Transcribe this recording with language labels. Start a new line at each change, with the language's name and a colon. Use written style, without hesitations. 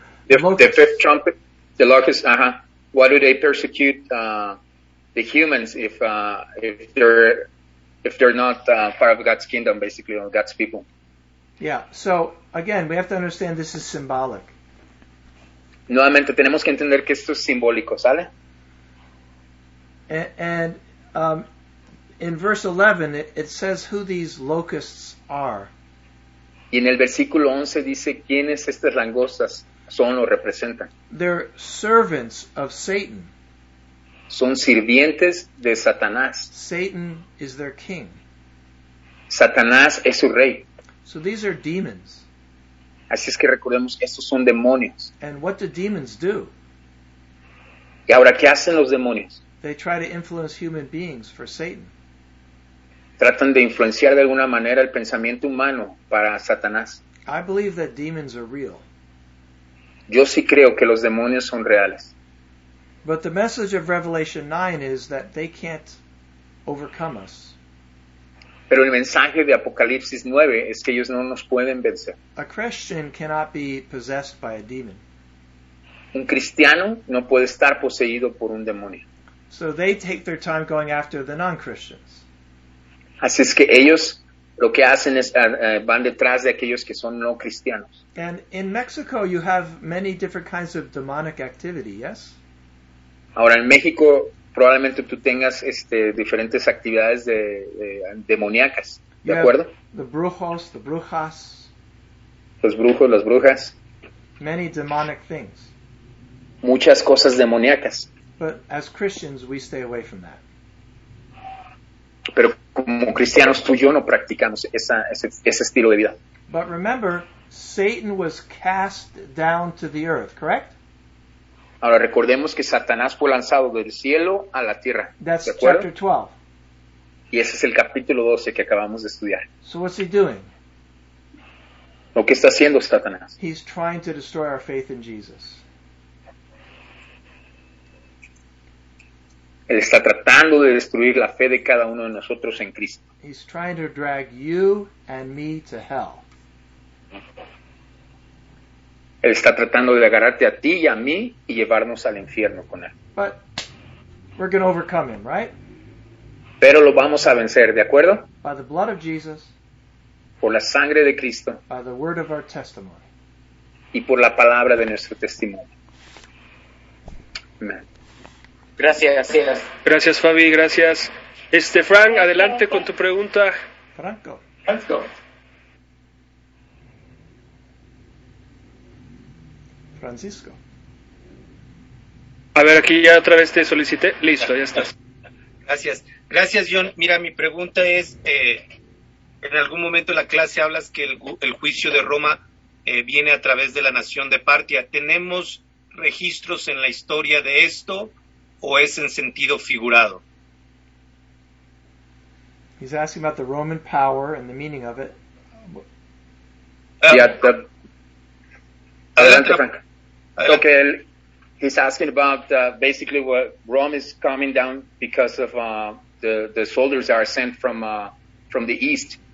English: the fifth trumpet, the locust. Why do they persecute the humans if they're not part of God's kingdom, basically, or God's people? Yeah. So again, we have to understand this is symbolic.
Spanish: Nuevamente, tenemos que entender que esto es simbólico, ¿sale?
English: And in verse 11, it says who these locusts are.
Spanish: Y en el versículo 11 dice, ¿quiénes estas langostas son o representan?
English: They're servants of Satan.
Spanish: Son sirvientes de Satanás.
English: Satan is their king.
Spanish: Satanás es su rey.
English: So these are demons.
Spanish: Así es que recordemos que estos son demonios.
English: And what do demons do?
Spanish: ¿Y ahora qué hacen los demonios?
English: They try to influence human beings for Satan.
Spanish: Tratan de influenciar de alguna manera el pensamiento humano para Satanás.
English: I believe that demons are real.
Spanish: Yo sí creo que los demonios son reales.
English: But the message of Revelation 9 is that they can't overcome us.
Spanish: Pero el mensaje de Apocalipsis 9 es que ellos no nos pueden vencer.
English: A Christian cannot be possessed by a demon.
Spanish: Un cristiano no puede estar poseído por un demonio.
English: So they take their time going after the non-Christians.
Spanish: Así es que ellos lo que hacen es van detrás de aquellos que son no cristianos.
English: And in Mexico you have many different kinds of demonic activity, yes?
Spanish: Ahora en México probablemente tú tengas diferentes actividades demoníacas, ¿de acuerdo?
English: The brujos, the brujas.
Spanish: Los brujos, las brujas.
English: Many demonic things.
Spanish: Muchas cosas demoníacas.
English: But as Christians, we stay away from that.
Spanish: Pero como cristianos, tú y yo no practicamos ese estilo de vida.
English: But remember, Satan was cast down to the earth, correct?
Spanish: Ahora recordemos que Satanás fue lanzado del cielo a la tierra.
English: That's chapter 12.
Spanish: Y ese es el capítulo 12 que acabamos de estudiar.
English: So what's he doing?
Spanish: ¿Lo que está haciendo Satanás?
English: He's trying to destroy our faith in Jesus.
Spanish: Él está tratando de destruir la fe de cada uno de nosotros en Cristo.
English: He's trying to drag you and me to hell.
Spanish: Él está tratando de agarrarte a ti y a mí y llevarnos al infierno con él.
English: But we're going to overcome him, right?
Spanish: Pero lo vamos a vencer, ¿de acuerdo?
English: By the blood of Jesus.
Spanish: Por la sangre de Cristo.
English: By the word of our testimony.
Spanish: Y por la palabra de nuestro testimonio. Amen. Gracias, Fabi, gracias. Frank, adelante con tu pregunta. Franco.
English: Let's go.
Spanish: Francisco. A ver, aquí ya otra vez te solicité. Listo, ya estás. Gracias. Gracias, John. Mira, mi pregunta es, en algún momento en la clase hablas que el juicio de Roma viene a través de la nación de Partia. ¿Tenemos registros en la historia de esto o es en sentido figurado?
English: He's asking about the Roman power and the meaning of it.
Spanish: Adelante, Frank.
English: Okay, he's asking about basically what Rome is coming down because of the soldiers are sent from the east.